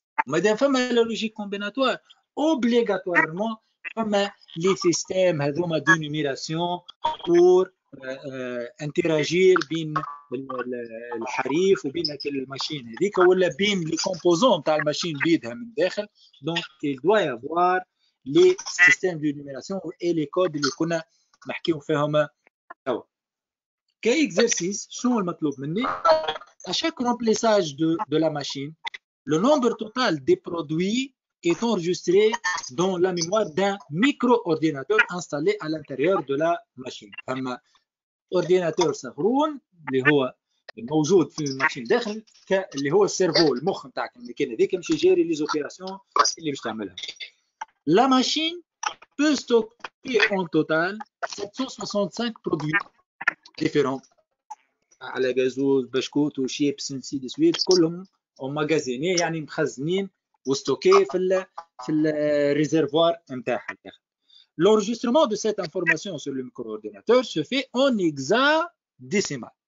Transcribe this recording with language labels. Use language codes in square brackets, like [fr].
[ar] مادام فما لا لوجيك كومبيناتوار اوبليغاتوارمون فما لي سيستيم هذوما دو نوميراسيون بور انتراجير بين الحريف وبين الماشين هذيك ولا بين لي كومبوزون تاع الماشين بيدها من الداخل. [fr] دونك il doit y avoir les systèmes de numération et les codes [ar] اللي كنا نحكيو فيهم توا. كي اكزرسيس شنو المطلوب مني؟ [fr] À chaque remplissage de la machine, le nombre total des produits est enregistré dans la mémoire d'un micro-ordinateur installé à l'intérieur de la machine. Un ordinateur [ar] سهرون اللي هو موجود في الماشين داخل اللي هو السيرفو المخ نتاعك اللي كان هذيك باش يجري لي زوبيراسيون اللي باش تعملها. [fr] La machine peut stocker en total 765 produits différents. [ar] على غازوز بشكوت وشيبس نسي دي سويت كلهم ومغازيني يعني مخزنين وستوكي في الريزيرفوار نتاعها. [fr] L'enregistrement de cette information sur le micro-ordinateur se fait en hexadécimal.